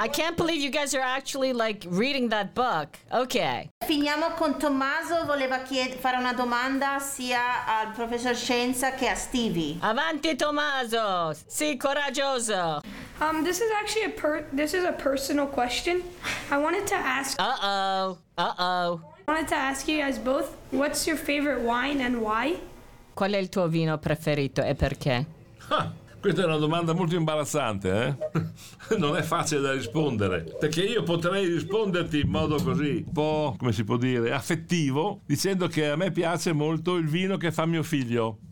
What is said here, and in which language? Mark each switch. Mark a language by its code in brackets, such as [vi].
[en] I can't believe you guys are actually like reading that book. Okay. [it] Finiamo con Tommaso, voleva fare una domanda sia al professor Scienza che a Stevie. Avanti, Tommaso. Sii coraggioso. [en] This is actually a personal question. I wanted to ask. I wanted to ask you guys both, what's your favorite wine and why? [it] Qual è il tuo vino preferito e perché? Questa è una domanda molto imbarazzante, eh? Non è facile da rispondere, perché io potrei risponderti in modo così, un po', come si può dire, affettivo, dicendo che a me piace molto il vino che fa mio figlio.